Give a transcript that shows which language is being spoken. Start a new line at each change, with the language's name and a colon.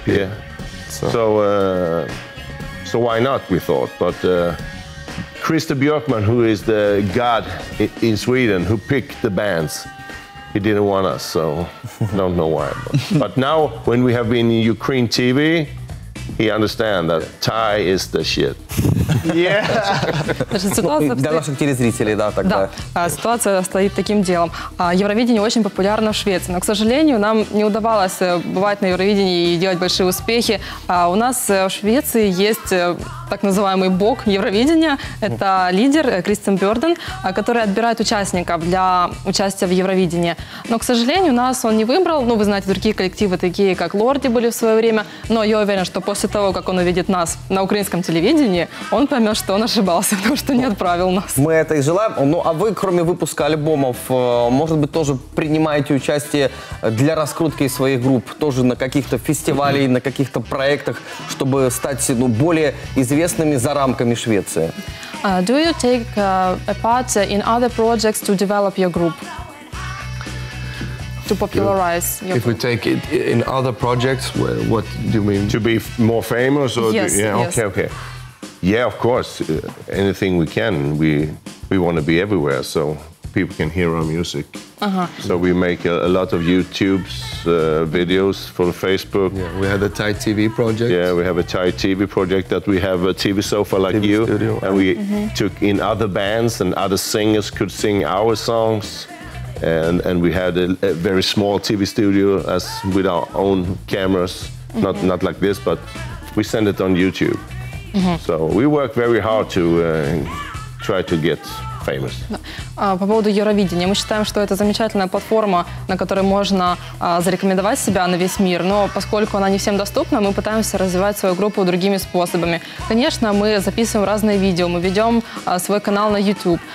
English: yeah. So why not, we thought, but... Christer Björkman, who is the god in Sweden, who picked the bands, he didn't want us, so don't know why. But now, when we have been in Ukraine TV, he understands that Thai is the shit. Yeah.
Russian: Ситуация для наших телезрителей, да, тогда. Да, ситуация стоит таким делом. Евровидение очень популярно в Швеции, но, к сожалению, нам не удавалось бывать на Евровидении и делать большие успехи. У нас в Швеции есть так называемый бог Евровидения. Это лидер Кристен Бёрден, который отбирает участников для участия в Евровидении. Но, к сожалению, нас он не выбрал. Ну, вы знаете, другие коллективы, такие как Лорди, были в свое время. Но я уверен, что после того, как он увидит нас на украинском телевидении, он поймет, что он ошибался, потому что не отправил нас. Мы это и желаем. Ну, а вы, кроме выпуска альбомов, может быть, тоже принимаете участие для раскрутки своих групп, тоже на каких-то фестивалях, на каких-то проектах, чтобы стать, ну, более известными за рамками Швеции.
English: Do you take a part in other projects to develop your group? To popularize your group? If we take it in other projects, what do you mean? To be more famous? Or yes, do, yeah, yes. Okay, okay. Yeah, of course. Anything we can. We want to be everywhere so people can hear our music. Uh-huh. So we make a lot of YouTube videos for Facebook. Yeah, we have a Thai TV project. Yeah, we have a Thai TV project that we have a TV sofa like TV you. Studio. And we mm-hmm. took in other bands and other singers could sing our songs. And we had a very small TV studio as with our own cameras. Mm-hmm. Not like this, but we send it on YouTube. Mm-hmm. So we work very hard to try to get famous.
Russian: По поводу Евровидения. Мы считаем, что это замечательная платформа, на которой можно зарекомендовать себя на весь мир. Но поскольку она не всем доступна, мы пытаемся развивать свою группу другими способами. Конечно, мы записываем разные видео, мы ведем свой канал на YouTube.